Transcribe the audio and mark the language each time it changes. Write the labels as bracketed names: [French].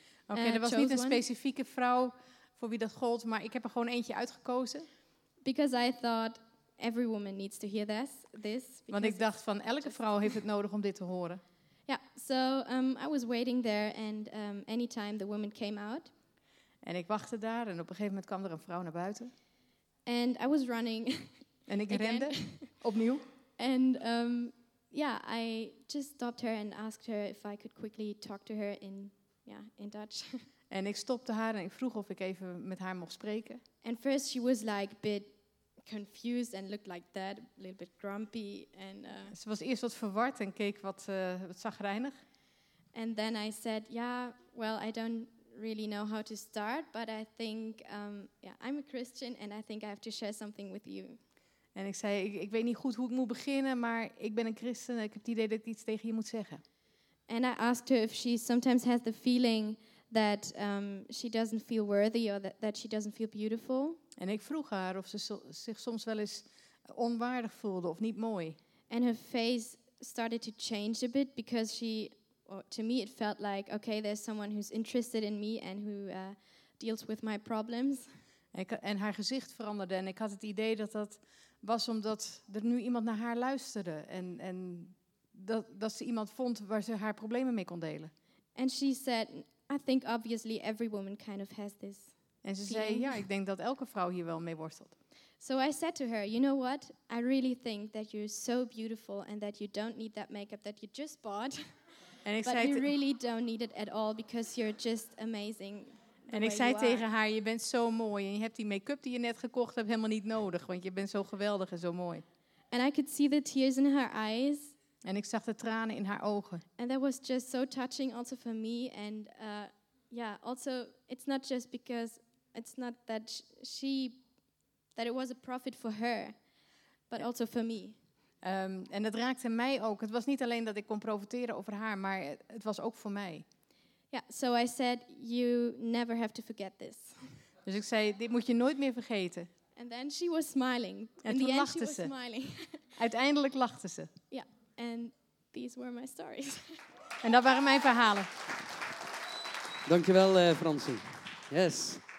[English] Okay, there was [Dutch] niet een specifieke vrouw voor wie dat gold, maar ik heb er gewoon eentje uitgekozen. [English] Because I thought every woman needs to hear this. [Dutch] Want ik dacht van elke vrouw heeft het nodig om dit te horen. [English] Yeah, so I was waiting there, and anytime the woman came out. [Dutch] En ik wachtte daar, en op een gegeven moment kwam er een vrouw naar buiten. [English] And I was running. [Dutch] En ik rende opnieuw. [English] And I just stopped her and asked her if I could quickly talk to her in in Dutch. [Dutch] En ik stopte haar en ik vroeg of ik even met haar mocht spreken. [English] And first she was like a bit confused and looked like that, a little bit grumpy and [Dutch] ze was eerst wat verward en keek wat chagrijnig. [English] And then I said, "Yeah, well, I don't really know how to start, but I think I'm a Christian and I think I have to share something with you." [Dutch] En ik zei, ik weet niet goed hoe ik moet beginnen, maar ik ben een christen en ik heb het idee dat ik iets tegen je moet zeggen. [English] And I asked her if she sometimes has the feeling that she doesn't feel worthy or that she doesn't feel beautiful. [Dutch] En ik vroeg haar of ze zich soms wel eens onwaardig voelde of niet mooi. [English] And her face started to change a bit because she, to me, it felt like, okay, there's someone who's interested in me and who deals with my problems. [Dutch] En haar gezicht veranderde en ik had het idee dat dat was omdat er nu iemand naar haar luisterde en dat ze iemand vond waar ze haar problemen mee kon delen. [English] And she said, I think obviously every woman kind of has this. [Dutch] En ze zei, ja, ik denk dat elke vrouw hier wel mee worstelt. [English] So I said to her, you know what? I really think that you're so beautiful and that you don't need that makeup that you just bought. [Dutch] En ik [English] but [Dutch] zei [English] you really don't need it at all because you're just amazing. [Dutch] En ik zei tegen haar, je bent zo mooi en je hebt die make-up die je net gekocht hebt helemaal niet nodig, want je bent zo geweldig en zo mooi. [English] And I could see the tears in her eyes. [Dutch] En ik zag de tranen in haar ogen. [English] And that was just so touching also for me and also it's not just because it's not that that it was a profit for her, but also for me. [Dutch] En dat raakte mij ook. Het was niet alleen dat ik kon profiteren over haar, maar het was ook voor mij. [English] Yeah, so I said, you never have to forget this. [Dutch] Dus ik zei, dit moet je nooit meer vergeten. [English] And then she was smiling. [Dutch] En toen lachte ze. Uiteindelijk lachte ze. [English] Yeah, and these were my stories. [Dutch] En dat waren mijn verhalen. Dankjewel, Francie. Yes.